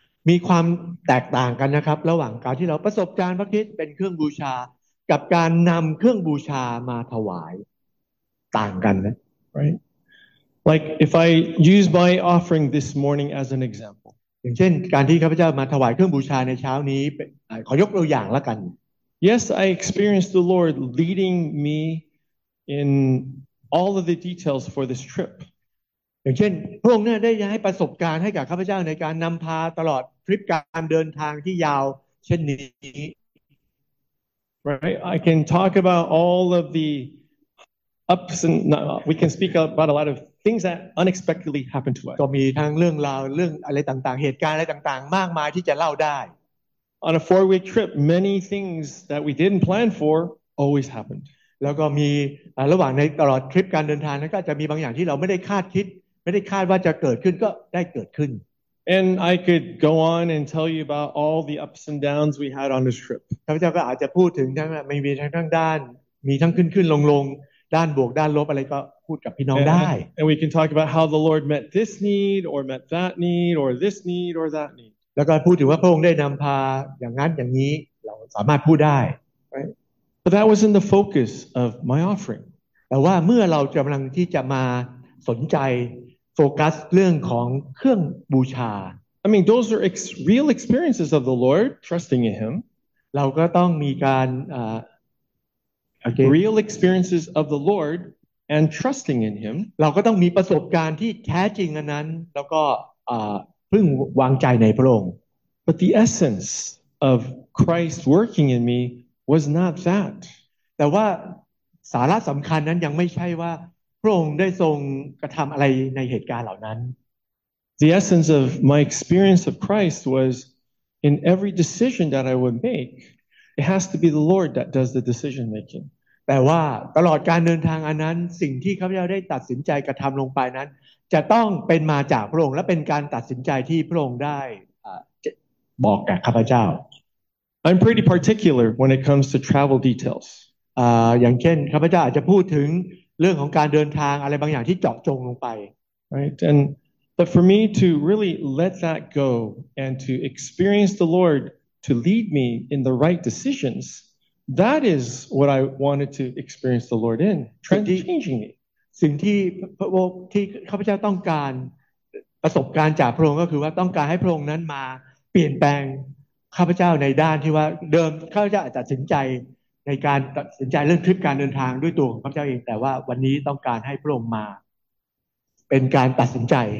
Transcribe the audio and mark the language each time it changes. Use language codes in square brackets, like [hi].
[th] มีความแตกต่างกันนะครับระหว่างการที่เราประสบการณ์พระคริสต์เป็นเครื่องบูชากับการนำเครื่องบูชามาถวายต่างกันนะ [en] Right? Like if I use my offering this morning as an example. [th] อย่างเช่นการที่ข้าพเจ้ามาถวายเครื่องบูชาในเช้านี้ขอยกตัวอย่างละกัน [en] Yes, I experienced the Lord leading me in all of the details for this trip. [th] อย่างเช่นพระองค์เนี่ยได้ให้ประสบการณ์ให้กับข้าพเจ้าในการนำพาตลอดทริปการเดินทางที่ยาวเช่นนี้ [en] Right I can talk about all of the ups and no, we can speak about a lot of things that unexpectedly happened to us [th] ก็มีทางเรื่องราวเรื่องอะไรต่างๆเหตุการณ์อะไรต่างๆมากมายที่จะเล่าได้ [en] On a 4-week trip many things that we didn't plan for always happened [th] แล้วก็มีระหว่างในตลอดทริปการเดินทางนั้นก็จะมีบางอย่างที่เราไม่ได้คาดคิดไม่ได้คาดว่าจะเกิดขึ้นก็ได้เกิดขึ้น [en] And I could go on and tell you about all the ups and downs we had on this trip. [th] ข้าพเจ้าก็อาจจะพูดถึงทั้งไม่มีทั้งด้านมีทั้งขึ้นขึ้นลงลงด้านบวกด้านลบอะไรก็พูดกับพี่น้องได้ [en] And we can talk about how the Lord met this need or met that need or this need or that need. [th] แล้วก็พูดถึงว่าพระองค์ได้นำพาอย่างนั้นอย่างนี้เราสามารถพูดได้ [en] Right? But that wasn't the focus of my offering. [th] แต่ว่าเมื่อเรากำลังที่จะมาสนใจโฟกัสเรื่องของเครื่องบูชา [en] I mean those are real experiences of the Lord trusting in him [th] เราก็ต้องมีการ [en] real experiences of the Lord and trusting in him [th] เราก็ต้องมีประสบการณ์ที่แท้จริงอันนั้นแล้วก็พึ่งวางใจในพระองค์ [en] But the essence of Christ working in me was not that [th] แต่ว่าสาระสำคัญนั้นยังไม่ใช่ว่าพระองค์ได้ทรงกระทำอะไรในเหตุการณ์เหล่านั้น [en] The essence of my experience of Christ was in every decision that I would make it has to be the Lord that does the decision making [th] แต่ว่าตลอดการเดินทางอันนั้นสิ่งที่ข้าพเจ้าได้ตัดสินใจกระทำลงไปนั้นจะต้องเป็นมาจากพระองค์และเป็นการตัดสินใจที่พระองค์ได้บอกกับข้าพเจ้า [en] I'm pretty particular when it comes to travel details [th] อย่างเช่นข้าพเจ้าอาจจะพูดถึงเรื่องของการเดินทางอะไรบางอย่างที่เจาะจงลงไป [en] right and but for me to really let that go and to experience the Lord to lead me in the right decisions that is what I wanted to experience the Lord in changing me [th] สิ่งที่ข้าพเจ้าต้องการประสบการณ์จากพระองค์ก็คือว่าต้องการให้พระองค์นั้นมาเปลี่ยนแปลงข้าพเจ้าในด้านที่ว่าเดิมข้าพเจ้าอาจจะตัดสินใจในการตัดสินใจเรื่องทริปการเดินทางด้วยตัวของพระเจ้าเองแต่ว่าวันนี้ต้องการให้พระองค์มาเป็นการตัดสินใจ